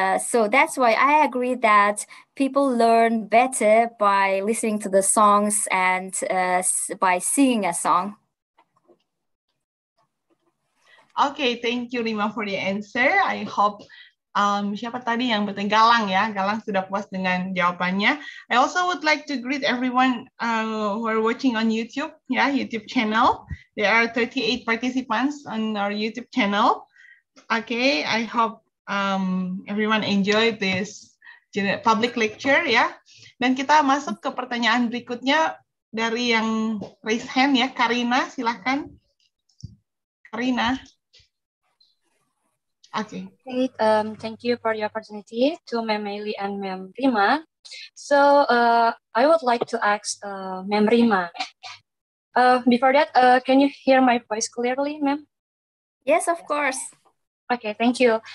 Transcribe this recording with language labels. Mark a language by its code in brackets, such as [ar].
[en] So that's why I agree that people learn better by listening to the songs and by singing a song. Okay, thank you Rima for the answer. I hope [id] siapa tadi yang bertanya, Galang ya, Galang sudah puas dengan jawabannya. [en] I also would like to greet everyone who are watching on YouTube, yeah, YouTube channel. There are 38 participants on our YouTube channel. Okay, I hope everyone enjoy this public lecture ya. [id] Dan kita masuk ke pertanyaan berikutnya dari yang raise hand ya, Karina, silakan. Karina. [en] Okay. Thank you for the opportunity to Ma'am Eli and Ma'am Rima. So I would like to ask Ma'am Rima. Before that, can you hear my voice clearly, Ma'am? Yes, of course. Okay, thank you.